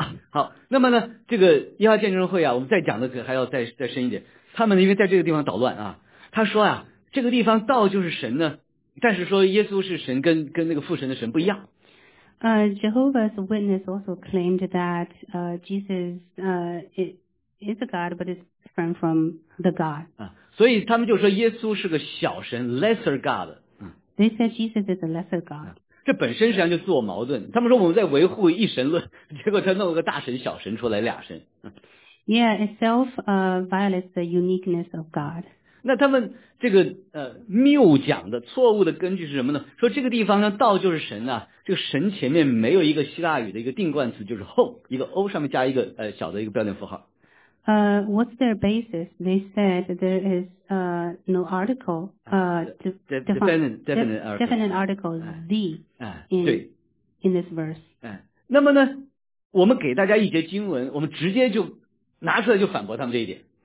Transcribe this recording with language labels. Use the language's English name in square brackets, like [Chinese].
[Chinese] 好，那么呢，这个耶和华见证会啊，我们再讲的可还要再深一点。他们因为在这个地方捣乱啊，他说啊，这个地方道就是神呢，但是说耶稣是神，跟那个父神的神不一样。 [English] Jehovah's Witness also claimed that Jesus is a God, but is different from the God. [Chinese] 所以他们就说耶稣是个小神 ， [English] lesser God。 They said Jesus is a lesser God. [Chinese] 这本身实际上就自我矛盾。他们说我们在维护一神论，结果他弄了个大神小神出来俩神。 [English] Yeah, itself violates the uniqueness of God. [Chinese] 那他们这个谬讲的错误的根据是什么呢？说这个地方呢，道就是神啊，这个神前面没有一个希腊语的一个定冠词，就是 ho， 一个 o 上面加一个小的一个标点符号。 [English] What's their basis? They said there is no article. Definite article the in this verse. [Chinese] 那么呢，我们给大家一节经文，我们直接就拿出来就反驳他们这一点。